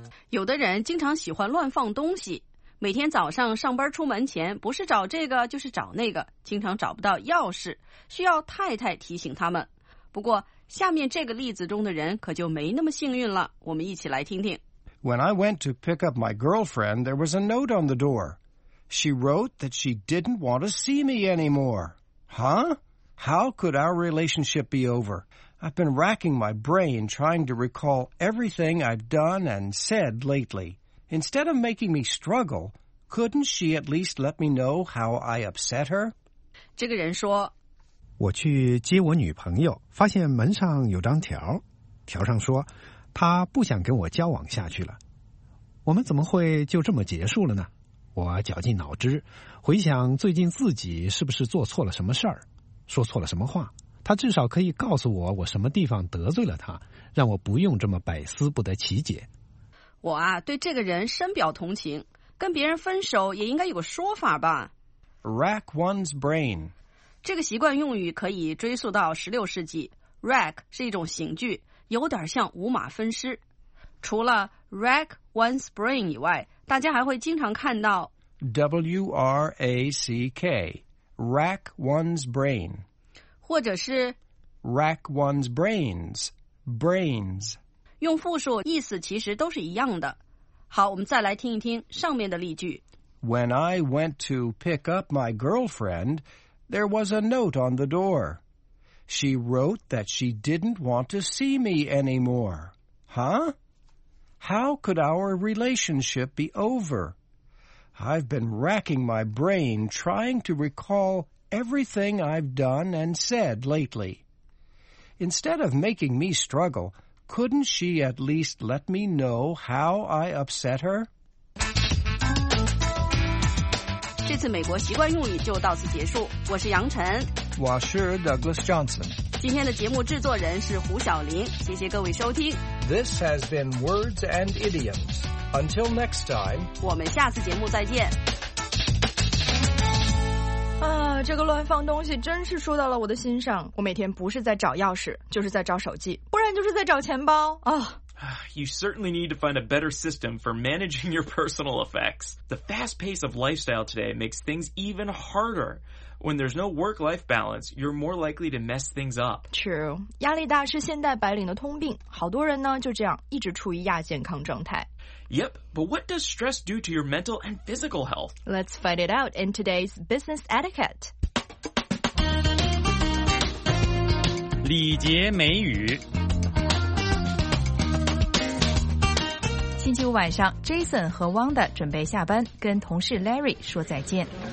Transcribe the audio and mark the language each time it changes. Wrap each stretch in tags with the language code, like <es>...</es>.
<zh>有的人经常喜欢乱放东西，每天早上上班出门前，不是找这个就是找那个，经常找不到钥匙，需要太太提醒他们。不过，下面这个例子中的人可就没那么幸运了，我们一起来听听。</zh> <en>When I went to pick up my girlfriend, there was a note on the door. She wrote that she didn't want to see me anymore. Huh? How could our relationship be over? I've been racking my brain trying to recall everything I've done and said lately. Instead of making me struggle, couldn't she at least let me know how I upset her?</en> <zh>这个人说，我去接我女朋友，发现门上有张条，条上说他不想跟我交往下去了。我们怎么会就这么结束了呢？我绞尽脑汁，回想最近自己是不是做错了什么事儿，说错了什么话。他至少可以告诉我，我什么地方得罪了他，让我不用这么百思不得其解。我啊，对这个人深表同情，跟别人分手也应该有个说法吧。</zh> <en>Rack one's brain。</en> <zh>这个习惯用语可以追溯到16世纪。 Rack 是一种刑具，有点像五马分尸。除了 rack one's brain 以外，大家还会经常看到</zh> <en>W-R-A-C-K, rack one's brain。</en> <zh>或者是</zh> <en>rack one's brains, brains.</en> <zh>用复数意思其实都是一样的。好，我们再来听一听上面的例句。</zh> <en>When I went to pick up my girlfriend, there was a note on the door. She wrote that she didn't want to see me anymore. Huh? How could our relationship be over? I've been racking my brain trying to recall everything I've done and said lately. Instead of making me struggle, couldn't she at least let me know how I upset her?</en> <zh>这次美国习惯用语就到此结束。我是杨晨，我是 Douglas Johnson。今天的节目制作人是胡晓玲，谢谢各位收听。</zh> <en>This has been Words and Idioms. Until next time,</en> <zh>我们下次节目再见。这个乱放东西真是说到了我的心上，我每天不是在找钥匙，就是在找手机，不然就是在找钱包啊。</zh> <en>You certainly need to find a better system for managing your personal effects. The fast pace of lifestyle today makes things even harder. When there's no work-life balance, you're more likely to mess things up. True.</en> <zh>压力大是现代白领的通病，好多人呢就这样一直处于亚健康状态。</zh> <en>Yep, but what does stress do to your mental and physical health? Let's find it out in today's business etiquette.</en> <zh>礼节美语。星期五晚上 ，Jason 和 Wanda 准备下班，跟同事 Larry 说再见。</zh>